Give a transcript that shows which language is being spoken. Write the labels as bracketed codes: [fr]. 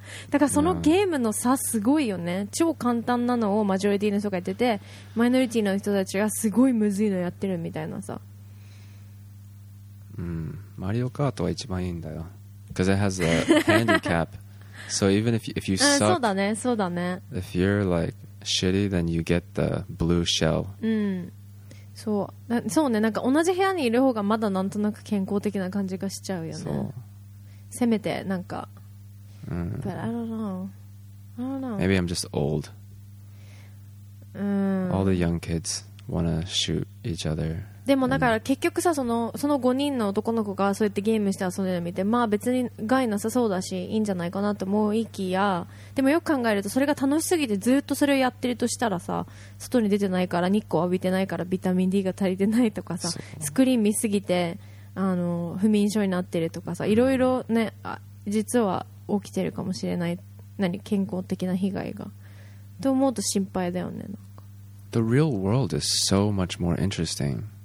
[ja] だからそのゲームの差すごいよね。超簡単なのをマジョリティの人がやってて、マイノリティの人たちがすごいむずいのやってるみたいなさ。うん、マリオカートは一番いいんだよ。 [en] Because it has a handicap. So even if you suck, [ja] そうだね、そうだね。 [en] If you're like shitty, then you get the blue shell. [ja] うん。そう、そうね、なんか同じ部屋にいる方がまだなんとなく健康的な感じがしちゃうよね。そう。せめてなんか、うん、 [en] But I don't know. Maybe I'm just old. All the young kids wanna shoot each other. [ja] でもだから結局さ、その5人の男の子がそうやってゲームして遊んでるみて、まあ別に害なさそうだしいいんじゃないかなと思ういきや、でもよく考えるとそれが楽しすぎてずっとそれをやってるとしたらさ、外に出てないから日光浴びてないからビタミン D が足りてないとかさ、スクリーン見すぎて不眠症になってるとかさ、いろいろね、実は起きてるかもしれない、何健康的な被害がと思うと心配だよね。なんか [en] The real world is so much more interesting.